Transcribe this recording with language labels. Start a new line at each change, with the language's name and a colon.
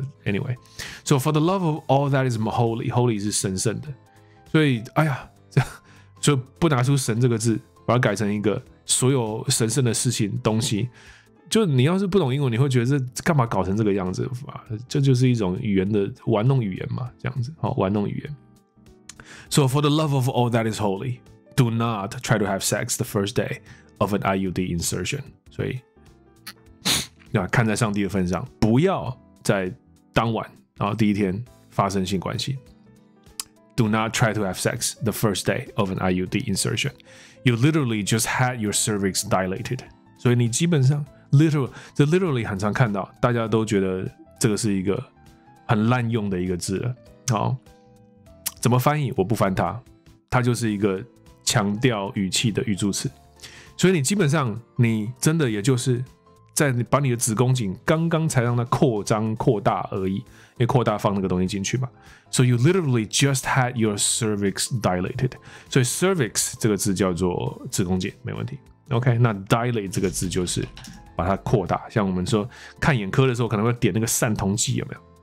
English: Anyway， so for the love of all that is holy， holy
Chinese: 是神圣的。所以，哎呀，就不拿出神这个字，把它改成一个所有神圣的事情东西。就你要是不懂英文，你会觉得这干嘛搞成这个样子啊？这就是一种语言的玩弄语言嘛，这样子，好，玩弄语言。
English: So for the love of all that is holy, do not try to have sex the first day of an IUD insertion.
Chinese: 所以，啊，看在上帝的份上，不要在当晚，然后第一天发生性关系。
English: Do not try to have sex the first day of an IUD insertion. You literally just had your cervix dilated.
Chinese: 所以你基本上 literally 很常看到，大家都觉得这个是一个很滥用的一个字了。好，怎么翻译？我不翻它，它就是一个强调语气的语助词。所以你基本上，你真的也就是在把你的子宫颈刚刚才让它扩张扩大而已，因为扩大放那个东西进去嘛。
English: So you literally just had your cervix dilated.
Chinese: 所以 cervix 这个字叫做子宫颈，没问题。 OK， 那 dilate 这个字就是把它扩大，像我们说看眼科的时候可能会点那个散瞳剂，有没有？